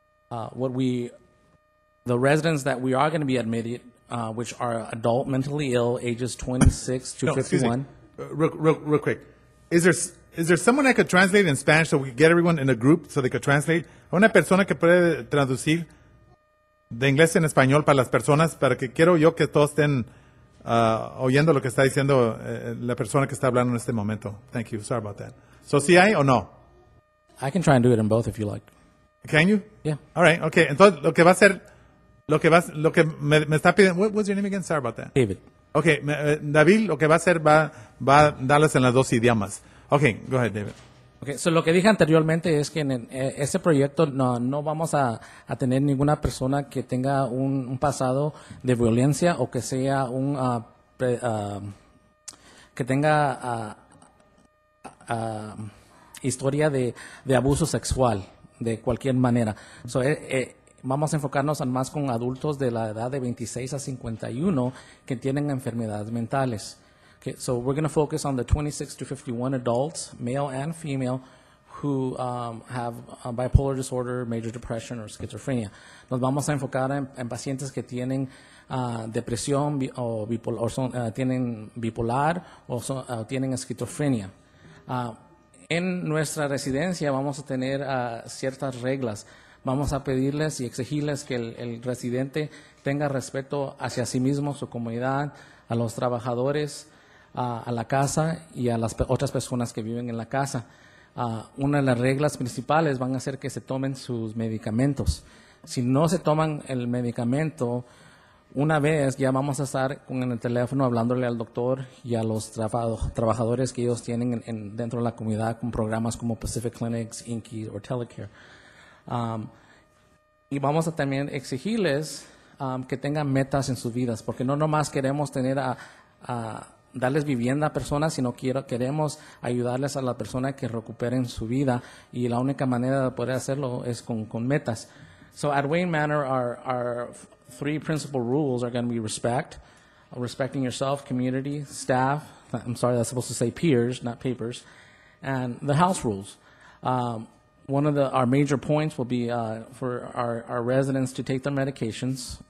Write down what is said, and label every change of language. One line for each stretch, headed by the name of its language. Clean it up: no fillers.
English: The residents that we are going to be admitted, which are adult mentally ill, ages 26 to 51. Real quick. Is there someone that could translate in Spanish so we could get everyone in a group so they could translate?
Spanish: Una persona que puede traducir de inglés en español para las personas para que quiero yo que todos estén oyendo lo que está diciendo la persona que está hablando en este momento.
English: Thank you. Sorry about that. So,
Spanish: ¿sí hay o no?
English: I can try and do it in both if you like. Can you? Yeah.
Spanish: All right. Okay. Entonces, lo que va a ser, lo que me está pidiendo,
English: what was your name again? Sorry about that. David. Okay.
Spanish: David, lo que va a hacer va a darles en las dos idiomas.
English: Okay, go ahead, David.
Spanish: Okay, so lo que dije anteriormente es que en ese proyecto no vamos a tener ninguna persona que tenga un pasado de violencia o que sea un que tenga historia de abuso sexual de cualquier manera. So vamos a enfocarnos más con adultos de la edad de 26 a 51 que tienen enfermedades mentales.
English: Okay, so we're going to focus on the 26 to 51 adults, male and female, who have a bipolar disorder, major depression, or schizophrenia.
Spanish: Nos vamos a enfocar en pacientes que tienen depresión tienen bipolar o tienen esquizofrenia. En nuestra residencia vamos a tener ciertas reglas. Vamos a pedirles y exigirles que el residente tenga respeto hacia sí mismo, su comunidad, a los trabajadores, a la casa y a las otras personas que viven en la casa. Una de las reglas principales van a ser que se tomen sus medicamentos. Si no se toman el medicamento, una vez ya vamos a estar con el teléfono hablándole al doctor y a los trabajadores que ellos tienen dentro de la comunidad con programas como Pacific Clinics, Inky o Telecare. Y vamos a también exigirles que tengan metas en sus vidas, porque no nomás queremos tener a darles vivienda a personas, sino queremos ayudarles a la persona que recuperen su vida, y la única manera de poder hacerlo es con metas.
English: So at Wayne Manor, our three principal rules are going to be respect, respecting yourself, community, staff, I'm sorry, that's supposed to say peers, not papers, and the house rules. One of our major points will be for our residents to take their medications.